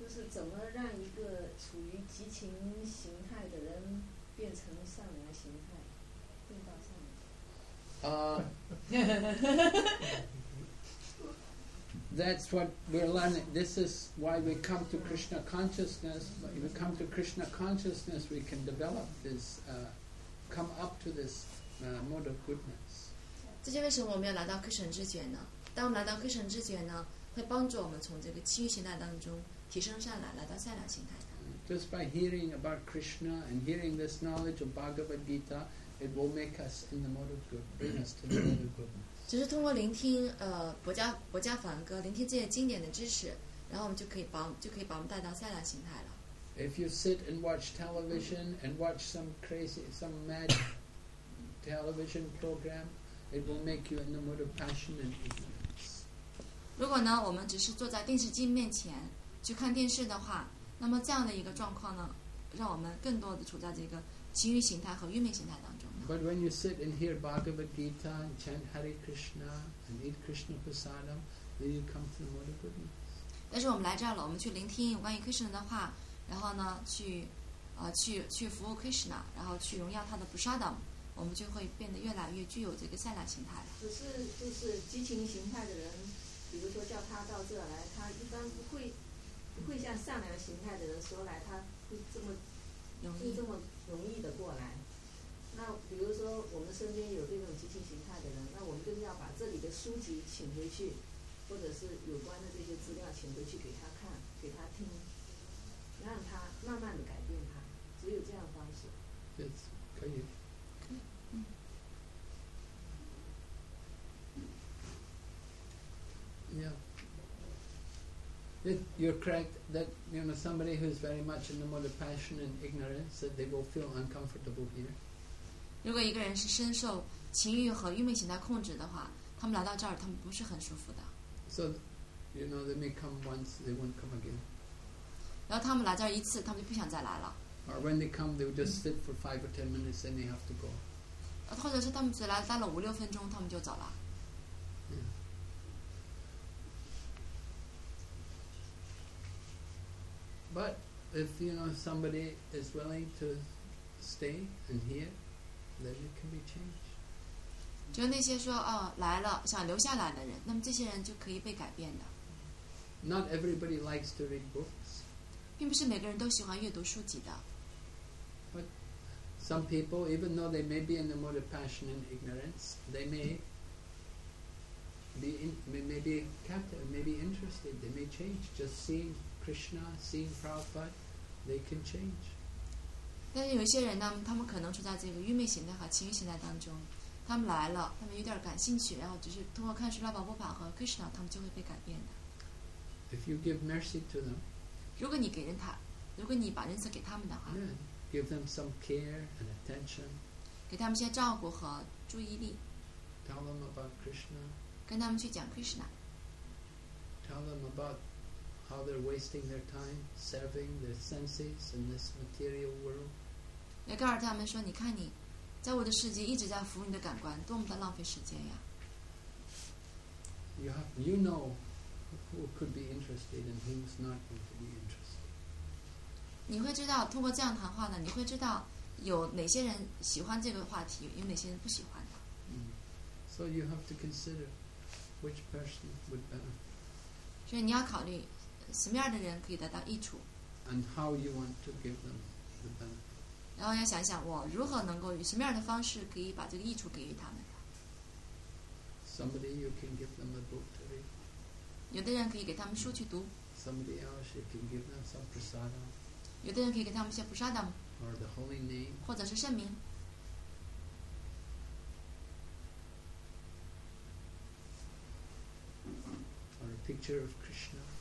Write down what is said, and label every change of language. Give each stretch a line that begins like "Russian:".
Chinese: 怎么让一个处于激情形态的人变成善良形态，变到善良？
English: That's what we're learning. This is why we come to Krishna consciousness. If we come to Krishna consciousness, we can develop this, come up to this mode of goodness.
Chinese: 这就为什么我们要来到 Krishna 之觉呢？当我们来到 Krishna 之觉呢，会帮助我们从这个情欲形态当中提升上来，来到善良形态。
English: Just by hearing about Krishna and hearing this knowledge of Bhagavad Gita, it will make us in the mode of good, bring us to the mode of goodness.
Chinese: 只是通过聆听薄伽梵歌，聆听这些经典的知识，然后我们就可以把我们带到善良形态了。
English: If you sit and watch television and watch some crazy, some mad television program, it will make you in the mood of passion and ignorance.
Chinese: 如果呢，我们只是坐在电视机面前去看电视的话，那么这样的一个状况呢，让我们更多的处在这个情欲形态和欲望形态当中。
English: But when you sit and hear Bhagavad Gita and chant Hare Krishna and eat Krishna prasadam, then you come to the mode of goodness.
Chinese: 但是我们来这儿了，我们去聆听关于 Krishna 的话，然后呢，去服务 Krishna， 然后去荣耀他的 prasadam， 我们就会变得越来越具有这个善良形态。只是就是激情形态的人，比如说叫他到这来，他一般不会像善良形态的人说来，他会这么容易的过来。那比如说我们身边有这种激情形态的人，那我们就是要把这里的书籍请回去，或者是有关的这些资料请回去给他看，给他听，让他慢慢的改变他，只有这样的方式。对，可以。嗯。
English: You're correct that you know somebody who is very much in the mode of passion and ignorance, that they will feel uncomfortable here.
Chinese: 如果一个人是深受情欲和欲望形态控制的话，他们来到这儿，他们不是很舒服的。
English: So, you know, they may come once, they won't come again.
Chinese: 然后他们来这儿一次，他们就不想再来了。
English: Or when they come, they will just sit for 5 or 10 minutes, and they have to go.
Chinese: 或者是他们只来待了5-6分钟，他们就走了。
English: But if you know somebody is willing to stay and hear, then it can be changed.
Chinese: 就那些说哦来了想留下来的人，那么这些人就可以被改变的。
English: Not everybody likes to read books.
Chinese: 并不是每个人都喜欢阅读书籍的。
English: But some people, even though they may be in the mode of passion and ignorance, they may be captive, may be interested. They may change just seeing. Krishna, seeing Prabhupada, they can change.
Chinese: 但是有些人呢，他们可能处在这个欲望形态和情欲形态当中，他们来了，他们有点感兴趣，然后只是通过看Śrīla Prabhupāda和 Krishna， 他们就会被改变的。
English: If you give mercy to them,
Chinese: 如果你把仁慈给他们的话
English: ，give them some care and attention，
Chinese: 给他们一些照顾和注意力
English: ，tell them about Krishna，
Chinese: 跟他们去讲 Krishna，
English: tell them about。 How they're wasting their time serving their senses in this material world.
Chinese: 也告诉他们说，你看你，在我的世界一直在服务你的感官，多么的浪费时间呀。
English: You know who could be interested and who's not going to be interested.
Chinese: 你会知道，通过这样谈话呢，你会知道有哪些人喜欢这个话题，有哪些人不喜欢的。
English: So you have to consider which person would benefit.
Chinese: 所以你要考虑。什么样的人可以得到益处
English: ？And how you want to give them the benefit？
Chinese: 然后要想想我如何能够以什么样的方式可以把这个益处给予他们
English: ？Somebody you can give them a book to read。
Chinese: 有的人可以给他们书去读。
English: Somebody else can give them some prasadam.
Chinese: 有的人可以给他们些 prasadam.
English: Or the holy name.
Chinese: 或者是圣名。
English: Or a picture of Krishna.